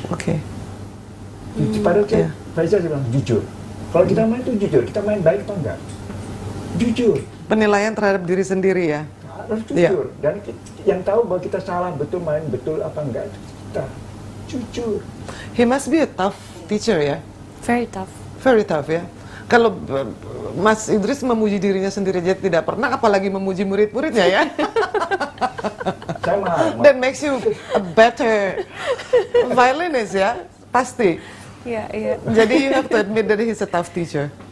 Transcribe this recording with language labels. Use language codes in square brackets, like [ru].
[id] Oke. Okay. Padahal saya, Faisal bilang jujur. Kalau kita main itu jujur, kita main baik atau enggak? Jujur. Penilaian terhadap diri sendiri ya? Harus jujur. Ya. Dan yang tahu bahwa kita salah betul main betul apa enggak, kita jujur. [en] He must be a tough teacher ya? Very tough. Very tough ya. [id] Kalau Mas Idris memuji dirinya sendiri aja tidak pernah, apalagi memuji murid-muridnya ya? [en] That makes you a better violinist ya? [id] Pasti. Iya. [en] Jadi you have to admit that he's a tough teacher.